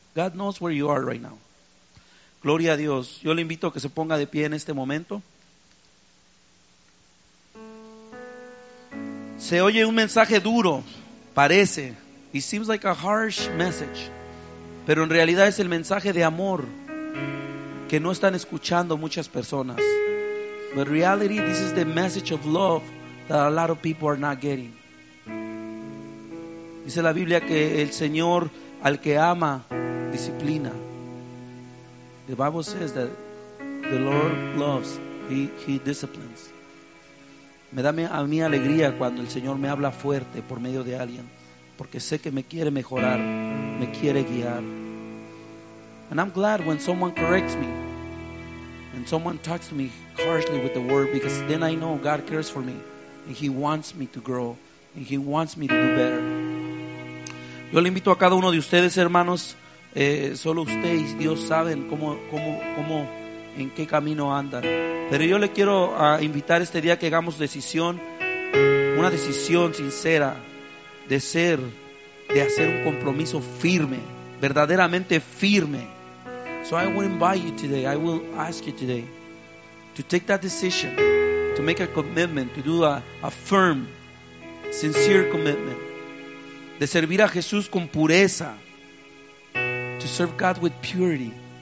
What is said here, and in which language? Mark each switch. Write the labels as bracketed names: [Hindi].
[English] God knows where you are right now. [Spanish] Gloria a Dios. Yo le invito a que se ponga de pie en este momento. Se oye un mensaje duro, parece. [English] It seems like a harsh message. [Spanish] Pero en realidad es el mensaje de amor que no están escuchando muchas personas. [English] But reality, this is the message of love that a lot of people are not getting. [Spanish] Dice la Biblia que el Señor al que ama disciplina. [English] The Bible says that the Lord loves, he disciplines. [Spanish] Me da a mí alegría cuando el Señor me habla fuerte por medio de alguien, porque sé que me quiere mejorar, me quiere guiar. [English] And I'm glad when someone corrects me and someone talks to me harshly with the word, because then I know God cares for me and he wants me to grow and he wants me to do better. [Spanish] Yo le invito a cada uno de ustedes, hermanos, solo usted y Dios saben cómo en qué camino andan. Pero yo le quiero invitar este día que hagamos decisión, una decisión sincera de hacer un compromiso firme, verdaderamente firme. [English] So I will invite you today, I will ask you today to take that decision, to make a commitment, to do a firm, sincere commitment, [Spanish] de servir a Jesús con pureza, [English] to serve God with purity.